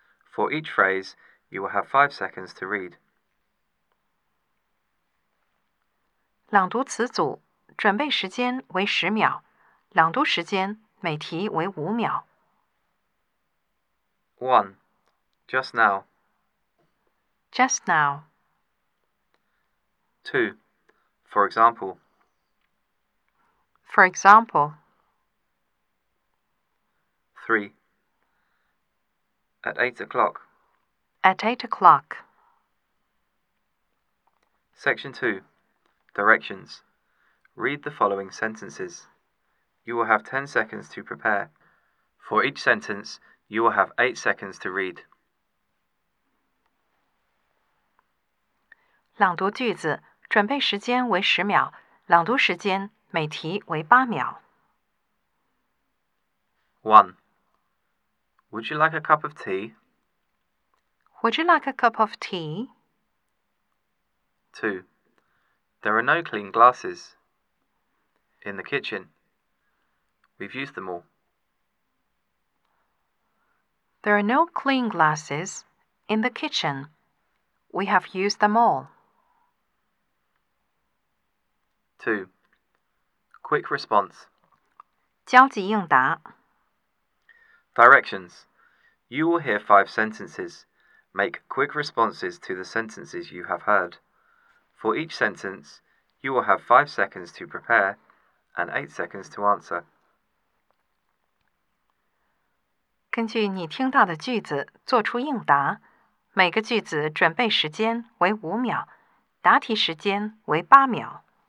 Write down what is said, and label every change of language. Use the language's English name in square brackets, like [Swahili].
[English] For each phrase, you will have 5 seconds to read. [Chinese] 朗读词组，准备时间为10秒，朗读时间每题为5秒。 [English] 1. Just now. Just now. 2. For example. For example. 3. At 8 o'clock. At 8 o'clock. Section 2. Directions. Read the following sentences. You will have 10 seconds to prepare. For each sentence, you will have 8 seconds to read. [Chinese] 朗读句子，准备时间为10秒，朗读时间每题为8秒。 [English] 1. Would you like a cup of tea? Would you like a cup of tea? 2. There are no clean glasses in the kitchen. We've used them all. There are no clean glasses in the kitchen. We have used them all. 2. Quick response. [Chinese] 焦急应答 [English] Directions. You will hear 5 sentences. Make quick responses to the sentences you have heard. For each sentence, you will have 5 seconds to prepare and 8 seconds to answer. [Chinese] 根据你听到的句子做出应答。每个句子准备时间为5秒，答题时间为8秒。